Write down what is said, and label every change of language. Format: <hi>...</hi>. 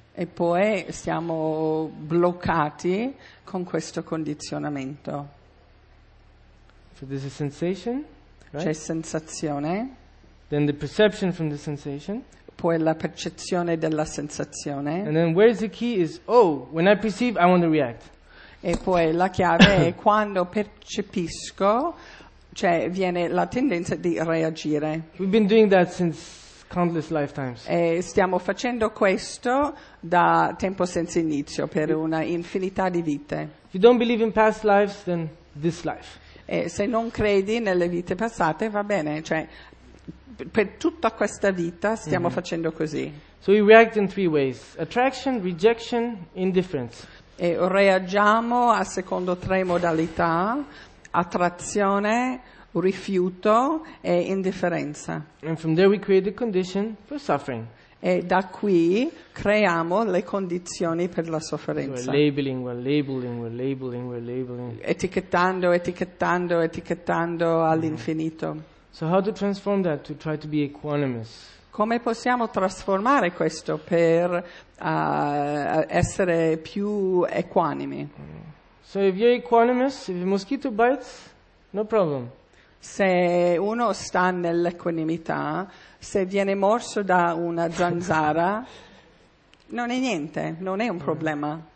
<it>E poi siamo bloccati con questo condizionamento.</it> <en>So this is sensation, right?</en> <it>C'è sensazione.</it> <en>Then the perception from the sensation.</en> <it>Poi la percezione della sensazione.</it> <en>And then where is the key is, oh, when I perceive, I want to react.</en> <it>E poi la chiave è quando percepisco, cioè viene la tendenza di reagire.</it> <en>We've been doing that since countless lifetimes.</en> <it>E stiamo facendo questo da tempo senza inizio, per una infinità di vite.</it> <en>If you don't believe in past lives, then this life.</en> <it>E se non credi nelle vite passate, va bene, cioè per tutta questa vita stiamo facendo così.</it> <en>So we react in three ways: attraction, rejection, indifference.</en> <it>E reagiamo a secondo tre modalità: attrazione, rifiuto e indifferenza.</it> <en>And from there we create the condition for suffering.</en> <it>E da qui creiamo le condizioni per la sofferenza.</it> <en>We're labeling, we're labeling, we're labeling, we're labeling.</en> <it>Etichettando, etichettando, etichettando all'infinito.</it> <en>So how to transform that to try to be equanimous?</en> <it>Come possiamo trasformare questo per essere più equanimi?</it> <en>So if you're equanimous, if a mosquito bites, no problem.</en> <it>Se uno sta nell'equanimità, se viene morso da una zanzara, non è niente, non è un problema.</it>